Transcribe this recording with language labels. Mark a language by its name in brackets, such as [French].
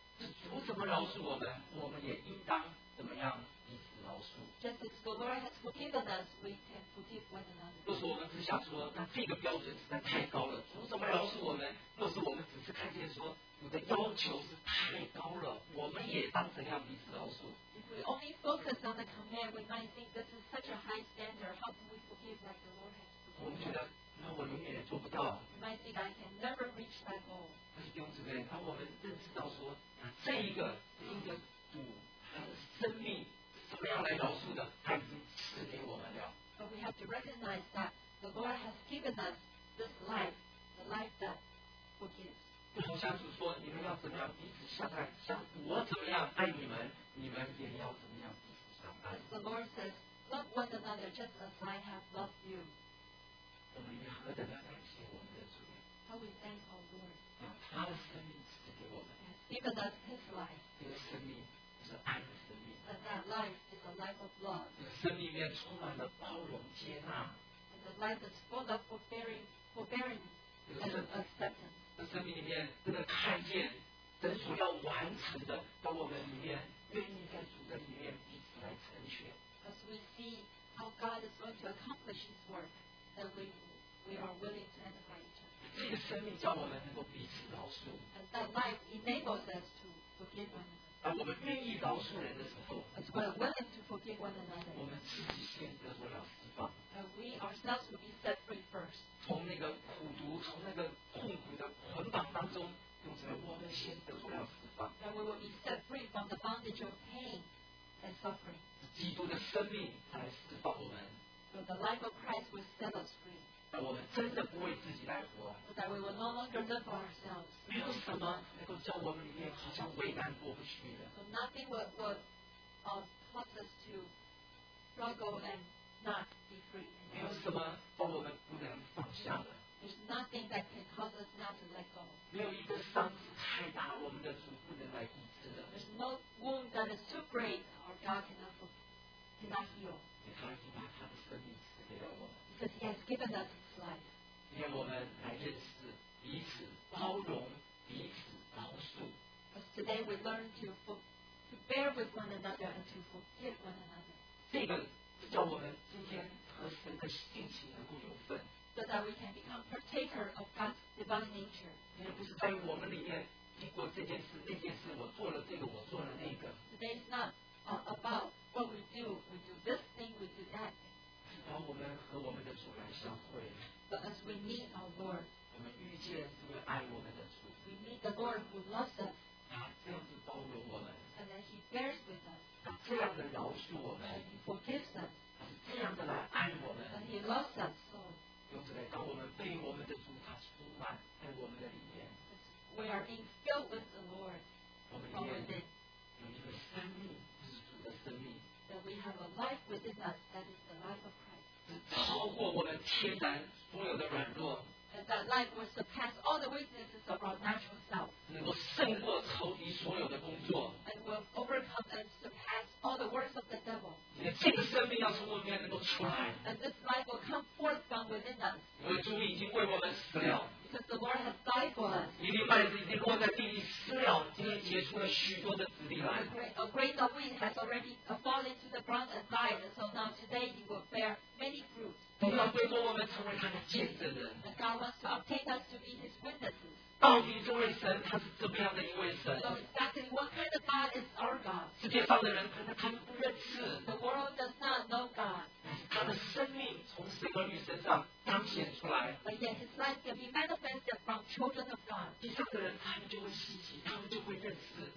[Chinese] 主怎么饶恕我们，我们也应当怎么样。 [English] Just as the Lord has forgiven us, we can forgive one another. [Chinese] 若是我们只想说，那这个标准实在太高了，主怎么饶恕我们？若是我们只是看见说，你的要求是太高了，我们也当怎样彼此饶恕 [English] ？If we only focus on the command, we might think this is such a high standard. How can we forgive like the Lord has forgiven? [Chinese] 我们觉得，那我永远也做不到。 [English] We might think I can never reach that goal. [Chinese] 但是弟兄姊妹，当我们认识到说，那这一个是一个主他的生命。怎么样来饶恕的？他已经赐给我们了。 [English] But we have to recognize that the Lord has given us this life, the life that forgives. [Chinese] 不同相处说，你们要怎么样彼此相爱？像我怎么样爱你们，你们也要怎么样彼此相爱。 [English] As the Lord says, love one another just as I have loved you. [Chinese] 我们应何等的感谢我们的主。 [English] How we thank our Lord. [Chinese] 用他的生命赐给我们。 [English] Has given us His life. [Chinese] 这个生命是爱的生命。 [English] That life is a life of love. [Chinese] 生命里面充满了包容接纳。 [English] And the life is full of forbearing and acceptance. [Chinese] 这生命里面真的看见神所要完成的，在我们里面愿意在主的里面彼此来成全。 [English] As we see how God is going to accomplish His work, then we are willing to identify each other. [Chinese] 这个生命叫我们能够彼此饶恕。 [English] And that life enables us to forgive one another. [Chinese] 当我们愿意饶恕人的时候， [English] As we are willing to forgive one another, [Chinese] 我们自己先得到了释放。 [English] And we ourselves will be set free first. [Chinese] 从那个苦毒，从那个痛苦的捆绑当中，用什么？我们先得到了释放。 [English] And we will be set free from the bondage of pain and suffering. [Chinese] 是基督的生命来释放我们。 [English] So the life of Christ will set us free. [Chinese] 让我们真的不为自己来活。 [English] So that we will no longer live for ourselves. [Chinese] 没有什么能够叫我们里面好像为难过不去的。 [English] So nothing will cause us to struggle and not be free. [Chinese] 没有什么把我们不能放下的。 [English] There's nothing that can cause us not to let go. [Chinese] 没有一个伤是太大我们的主不能来医治的。 [English] There's no wound that is too great our God cannot heal. Because He has given us His life. [Chinese] 今天我们来认识彼此包容，彼此饶恕。 [English] Because today we learn to bear with one another and to forgive one another. [Chinese] 这个是叫我们今天和神的性情能够有份。 [English] So that we can become partaker of God's divine nature. [Chinese] 今天不是在我们里面经过这件事那件事，我做了这个，我做了那个。 [English] Today is not about what we do this thing, we do that. [Chinese] 当我们和我们的主来相会 [English] ，But as we meet our Lord， [Chinese] 我们遇见这位爱我们的主 [English] ，We meet the Lord who loves us， [Chinese] 他这样子包容我们 [English] ，And then He bears with us， [Chinese] 他这样的饶恕我们 [English] ，He forgives us， [Chinese] 他是这样的来爱我们 [English] ，And He loves us so。 [Chinese] 用这个，当我们被我们的主他充满在我们的里面 [English] ，We are being filled with the Lord， [Chinese] 我们里面有一个生命，就是主的生命。 [English] That we have a life within us that is the life of Christ. [Chinese] 是超过我们天然所有的软弱。 [English] That that life will surpass all the weaknesses of our natural self. [Chinese] 能够胜过仇敌所有的工作, [English] and will overcome and surpass all the works of the devil. [Chinese] 这个生命要从我们里面能够出来, [English] and this life will come forth from within us. [Chinese] 因为主已经为我们死了, [English] because the Lord has died for us. [Chinese] 一粒麦子已经落在地里死了, 今天结出了许多的子粒来。 [English] A grain of wheat has already fallen to the ground and died, and so now today it will bear many fruits. And God wants to obtain us to be His witnesses. [Chinese] 到底这位神他是怎么样的一位神? [English] So exactly what kind of God is our God? [Chinese] 世界上的人可能他们不认识, [English] the world does not know God. [Chinese] 他的生命从神儿女身上彰显出来, [English] but yet His life can be manifested from children of God. [Chinese] 地上的人他们就会稀奇, 他们就会认识,